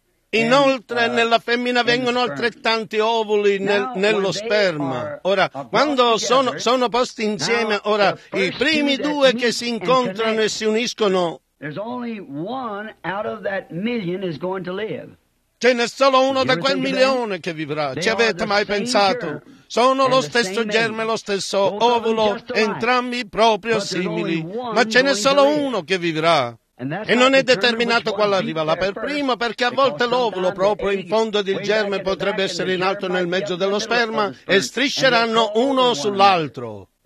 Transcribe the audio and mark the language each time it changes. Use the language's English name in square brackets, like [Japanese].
[Italian] Inoltre nella femmina vengono altrettanti ovuli nello sperma. Ora, quando sono posti insieme, ora i primi due che si incontrano e si uniscono [English] There's only one out of that million is going to live. [Italian] Ce n'è solo uno da quel milione che vivrà. Ci avete mai pensato? Sono lo stesso germe, lo stesso ovulo, entrambi proprio simili. Ma ce n'è solo uno che vivrà. E non è determinato quale arriva là per primo, perché a volte l'ovulo proprio in fondo del germe potrebbe essere in alto nel mezzo dello sperma e strisceranno uno sull'altro.